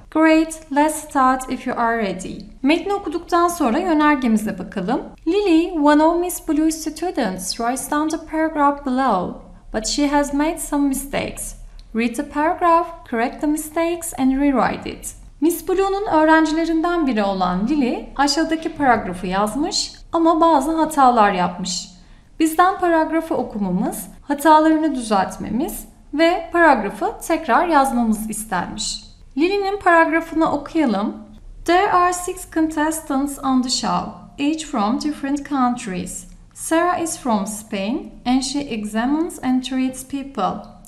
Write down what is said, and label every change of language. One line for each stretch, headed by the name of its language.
English: Great, let's start if you are ready.
Turkish: Metni okuduktan sonra yönergemize bakalım.
English: Lily, one of Miss Blue's students, writes down the paragraph below, but she has made some mistakes. Read the paragraph, correct the mistakes and rewrite it.
Turkish: Miss Blue'nun öğrencilerinden biri olan Lily aşağıdaki paragrafı yazmış ama bazı hatalar yapmış. Bizden paragrafı okumamız, hatalarını düzeltmemiz ve paragrafı tekrar yazmamız istenmiş. Lily'nin paragrafını okuyalım.
English: There are six contestants on the show, each from different countries. Sarah is from Spain and she examines and treats people.